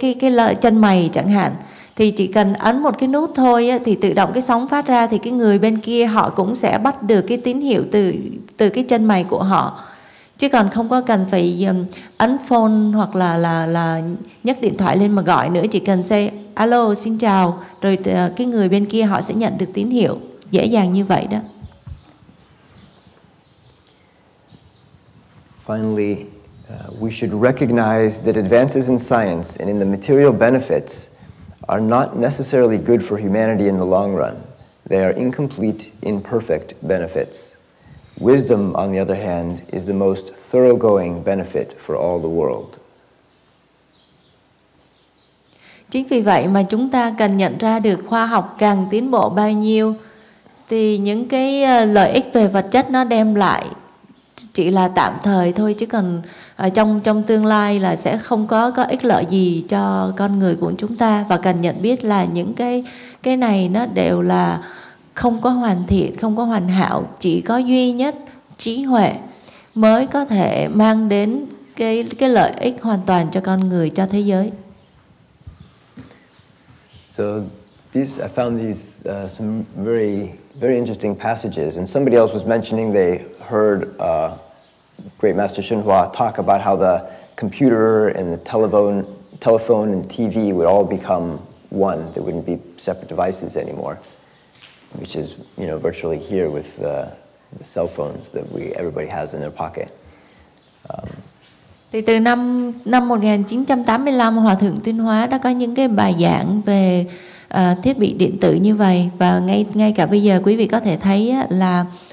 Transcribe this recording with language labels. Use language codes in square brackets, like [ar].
[vi] lợi chân mày chẳng hạn, thì chỉ cần ấn một cái nút thôi thì tự động cái sóng phát ra, thì cái người bên kia họ cũng sẽ bắt được cái tín hiệu từ cái chân mày của họ, chứ còn không có cần phải ấn phone hoặc là nhấc điện thoại lên mà gọi nữa, chỉ cần say alo, xin chào, rồi cái người bên kia họ sẽ nhận được tín hiệu dễ dàng như vậy đó. [en] Finally, we should recognize that advances in science and in the material benefits are not necessarily good for humanity in the long run. They are incomplete, imperfect benefits. Wisdom, on the other hand, is the most thoroughgoing benefit for all the world. [vi] Chính vì vậy mà chúng ta cần nhận ra được khoa học càng tiến bộ bao nhiêu thì những cái lợi ích về vật chất nó đem lại chỉ là tạm thời thôi chứ còn trong tương lai là sẽ không có có ích lợi gì cho con người của chúng ta, và cần nhận biết là những cái này nó đều là không có hoàn thiện, không có hoàn hảo, chỉ có duy nhất trí huệ mới có thể mang đến cái lợi ích hoàn toàn cho con người, cho thế giới. [en] So these, I found these some very very interesting passages, and somebody else was mentioning they heard great Master Hsuan Hua talk about how the computer and the telephone and TV would all become one. There wouldn't be separate devices anymore, which is, you know, virtually here with the cell phones that everybody has in their pocket. [vi] Thì từ năm 1985 Hòa thượng Tuyên Hóa đã có những cái bài giảng về thiết bị điện tử như vậy, và ngay cả bây giờ quý vị có thể thấy là